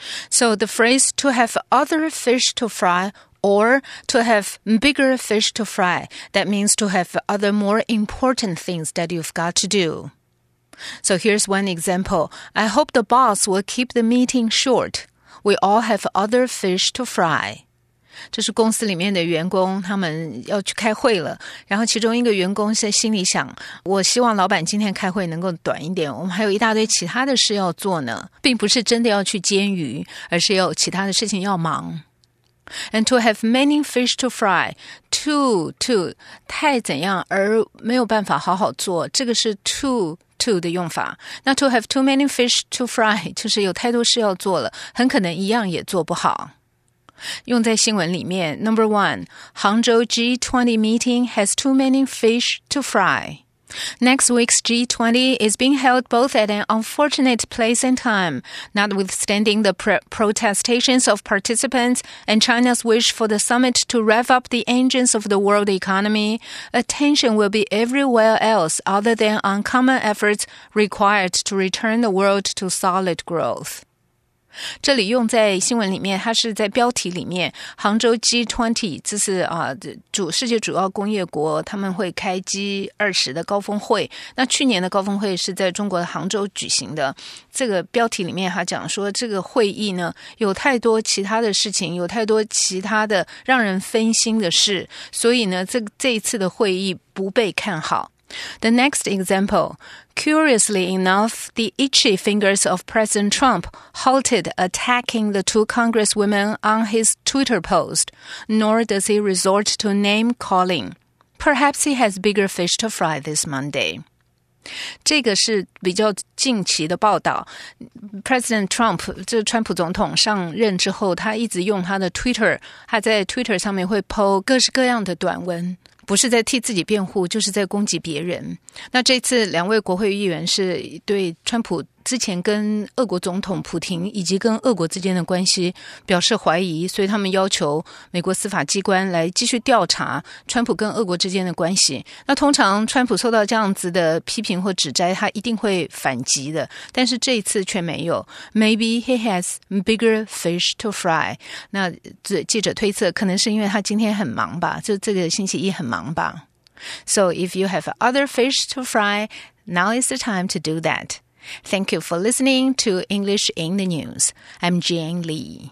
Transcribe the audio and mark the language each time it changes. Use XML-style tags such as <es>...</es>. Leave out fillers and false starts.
<en>So the phrase to have other fish to fry or to have bigger fish to fry, that means to have other more important things that you've got to do. So here's one example. I hope the boss will keep the meeting short. We all have other fish to fry.</en> <zh>这是公司里面的员工，他们要去开会了。然后其中一个员工在心里想，我希望老板今天开会能够短一点，我们还有一大堆其他的事要做呢，并不是真的要去煎鱼，而是有其他的事情要忙。</zh> <en>And to have many fish to fry, to</en> <zh>太怎样而没有办法好好做，这个是 to 的用法。那</zh> <en>to have too many fish to fry</en> <zh>就是有太多事要做了，很可能一样也做不好。用在新闻里面</zh> <en>，Number one, 杭州 G20 meeting has too many fish to fry. Next week's G20 is being held both at an unfortunate place and time, notwithstanding the protestations of participants and China's wish for the summit to rev up the engines of the world economy. Attention will be everywhere else other than on common efforts required to return the world to solid growth.</en> <zh>这里用在新闻里面，它是在标题里面，杭州 G20， 这是世界主要工业国，他们会开 G20 的高峰会。那去年的高峰会是在中国的杭州举行的。这个标题里面还讲说，这个会议呢，有太多其他的事情，有太多其他的让人分心的事，所以呢，这一次的会议不被看好。</zh> <en>The next example, curiously enough, the itchy fingers of President Trump halted attacking the two congresswomen on his Twitter post, nor does he resort to name-calling. Perhaps he has bigger fish to fry this Monday.</en> <zh>这个是比较近期的报道。 President Trump, 这是川普总统上任之后，他一直用他的 Twitter, 他在 Twitter 上面会 po 各式各样的短文。不是在替自己辩护，就是在攻击别人。那这次两位国会议员是对川普之前跟俄国总统普廷以及跟俄国之间的关系表示怀疑，所以他们要求美国司法机关来继续调查川普跟俄国之间的关系。那通常川普受到这样子的批评或指摘，他一定会反击的，但是这一次却没有。</zh> <en>Maybe he has bigger fish to fry.</en> <zh>那记者推测，可能是因为他今天很忙吧，就这个星期一很忙吧。</zh> <en>So if you have other fish to fry, now is the time to do that. Thank you for listening to English in the News. I'm Jane Lee.</en>